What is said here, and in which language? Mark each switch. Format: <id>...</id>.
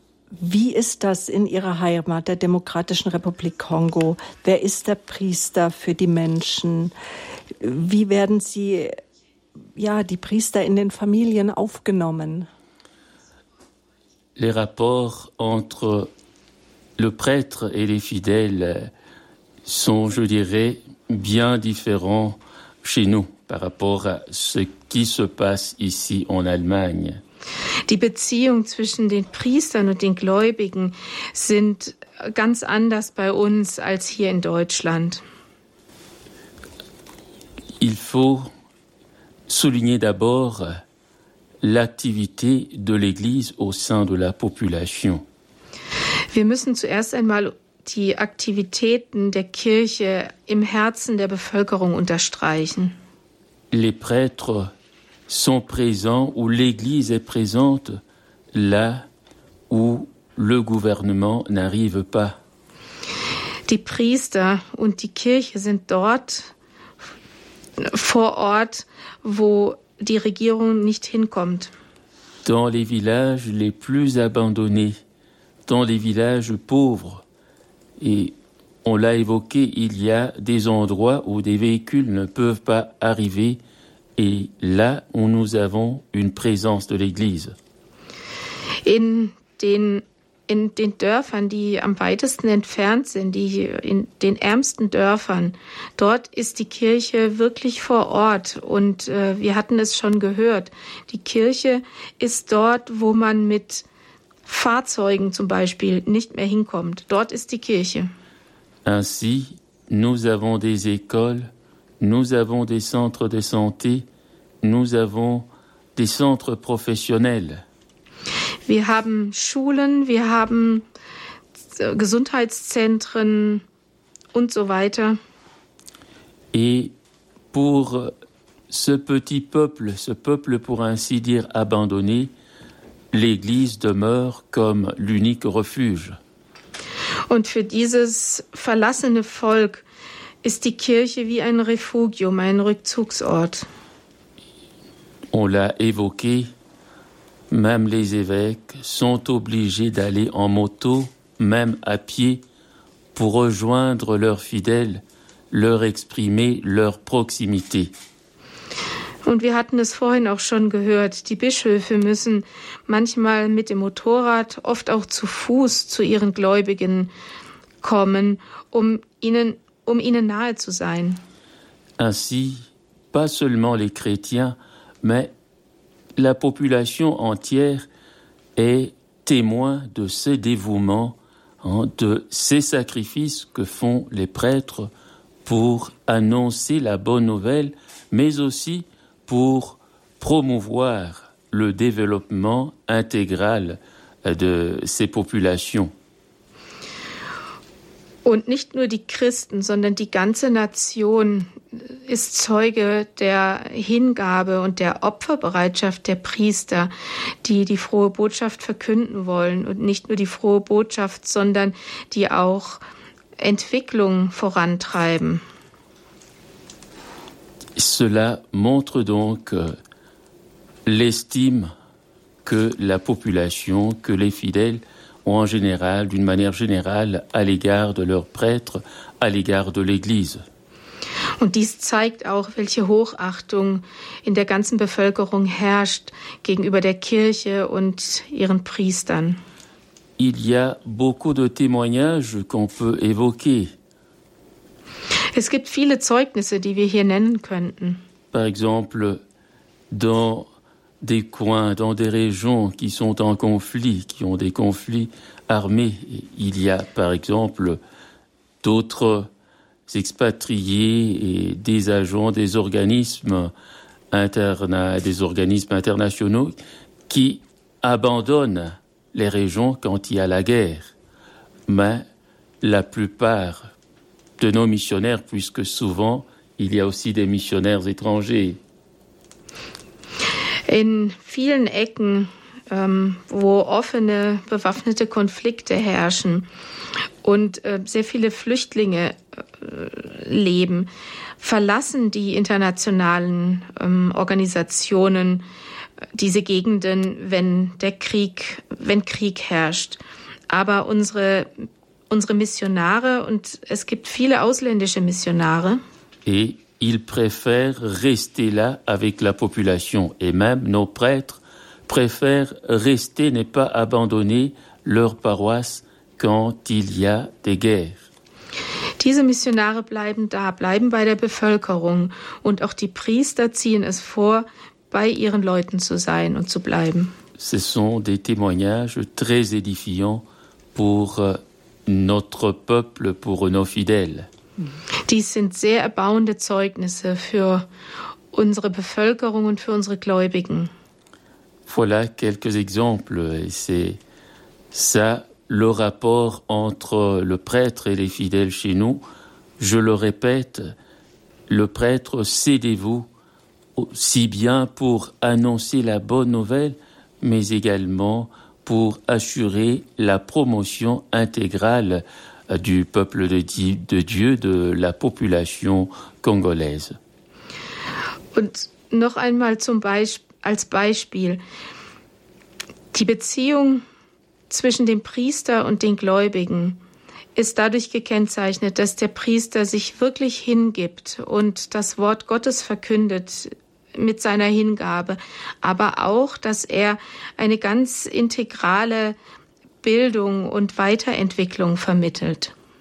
<de>Wie ist das in Ihrer Heimat, der Demokratischen Republik Kongo? Wer ist der Priester für die Menschen? Wie werden Sie, ja, die Priester in den Familien aufgenommen?</de> <fr>Les rapports entre le prêtre et les fidèles sont, je dirais, bien différents chez nous par rapport à ce qui se passe ici en Allemagne.</fr> <de>Die Beziehung zwischen den Priestern und den Gläubigen sind ganz anders bei uns als hier in Deutschland.</de> <fr>Il faut souligner d'abord l'activité de l'Église au sein de la population.</fr> <de>Wir müssen zuerst einmal die Aktivitäten der Kirche im Herzen der Bevölkerung unterstreichen.</de> <fr>Les prêtres sont présents ou l'Église est présente là où le gouvernement n'arrive pas.</fr> <de>Die Priester und die Kirche sind dort vor Ort, wo die Regierung nicht hinkommt.</de> <fr>Dans les villages les plus abandonnés, dans les villages pauvres, et on l'a évoqué, il y a des endroits où des véhicules ne peuvent pas arriver. Et là où nous avons une présence de l'Église.</fr> <de>In den Dörfern, die am weitesten entfernt sind, die in den ärmsten Dörfern, dort ist die Kirche wirklich vor Ort. Und wir hatten es schon gehört, die Kirche ist dort, wo man mit Fahrzeugen zum Beispiel nicht mehr hinkommt. Dort ist die Kirche.</de> <fr>Ainsi, nous avons des écoles, nous avons des centres de santé, nous avons des centres professionnels.</fr> <de>Wir haben Schulen, wir haben Gesundheitszentren und so weiter.</de> <fr>Et pour ce petit peuple, ce peuple pour ainsi dire abandonné, l'Église demeure comme l'unique refuge.</fr> <de>Und für dieses verlassene Volk ist die Kirche wie ein Refugium, ein Rückzugsort.</de> <fr>On l'a évoqué, même les évêques sont obligés d'aller en moto, même à pied, pour rejoindre leurs fidèles, leur exprimer leur proximité.</fr> <de>Und wir hatten es vorhin auch schon gehört, die Bischöfe müssen manchmal mit dem Motorrad, oft auch zu Fuß, zu ihren Gläubigen kommen, um ihnen nahe zu sein.</de> <fr>Ainsi, pas seulement les chrétiens, mais la population entière est témoin de ces dévouements, de ces sacrifices que font les prêtres pour annoncer la bonne nouvelle, mais aussi pour promouvoir le développement intégral de ces populations.</fr> <de>Und nicht nur die Christen, sondern die ganze Nation ist Zeuge der Hingabe und der Opferbereitschaft der Priester, die die frohe Botschaft verkünden wollen. Und nicht nur die frohe Botschaft, sondern die auch Entwicklung vorantreiben.</de> <fr>Cela montre donc l'estime que la population, que les fidèles ont en général, d'une manière générale, à l'égard de leurs prêtres, à l'égard de l'Église.</fr> <de>Und dies zeigt auch, welche Hochachtung in der ganzen Bevölkerung herrscht gegenüber der Kirche und ihren Priestern.</de> <fr>Il y a beaucoup de témoignages qu'on peut évoquer.</fr> <de>Es gibt viele Zeugnisse, die wir hier nennen könnten.</de> <fr>Par exemple, dans des coins, dans des régions qui sont en conflit, qui ont des conflits armés, il y a par exemple d'autres expatriés et des agents des organismes internationaux qui abandonnent les régions quand il y a la guerre. Mais la plupart de nos missionnaires, puisque souvent il y a aussi des missionnaires étrangers.</fr> <de>In vielen Ecken, wo offene, bewaffnete Konflikte herrschen und sehr viele Flüchtlinge leben, verlassen die internationalen Organisationen diese Gegenden, wenn Krieg herrscht. Aber unsere Missionare, und es gibt viele ausländische Missionare,</de> <fr>ils préfèrent rester là avec la population. Et même nos prêtres préfèrent rester, ne pas abandonner leur paroisse quand il y a des guerres.</fr> <de>Diese Missionare bleiben da, bleiben bei der Bevölkerung. Und auch die Priester ziehen es vor, bei ihren Leuten zu sein und zu bleiben.</de> <fr>Ce sont des témoignages très édifiants pour notre peuple, pour nos fidèles.</fr> <de>Dies sind sehr erbauende Zeugnisse für unsere Bevölkerung und für unsere Gläubigen.</de> <fr>Voilà quelques exemples. Et c'est ça le rapport entre le prêtre et les fidèles chez nous. Je le répète, le prêtre s'aidez-vous aussi bien pour annoncer la bonne nouvelle, mais également pour assurer la promotion intégrale du peuple de Dieu, de la population congolaise.</fr> <de>Und noch einmal als Beispiel. Die Beziehung zwischen dem Priester und den Gläubigen ist dadurch gekennzeichnet, dass der Priester sich wirklich hingibt und das Wort Gottes verkündet mit seiner Hingabe, aber auch, dass er eine ganz integrale Bildung und Weiterentwicklung vermittelt.</de>